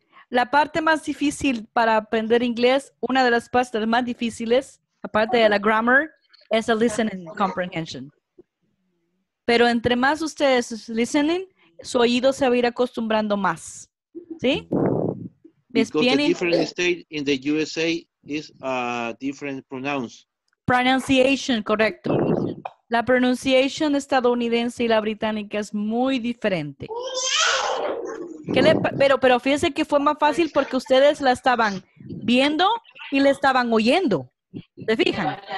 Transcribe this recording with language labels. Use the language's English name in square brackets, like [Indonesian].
[Spanish] La parte más difícil para aprender inglés, una de las partes más difíciles, aparte de la grammar, es el listening comprehension. Pero entre más ustedes listening, su oído se va a ir acostumbrando más. ¿Sí? [English] Because the different state in the USA is a different pronounce. [Spanish] Pronunciation, correcto. La pronunciación estadounidense y la británica es muy diferente. ¿Qué le, pero fíjense que fue más fácil porque ustedes la estaban viendo y la estaban oyendo. ¿Se fijan?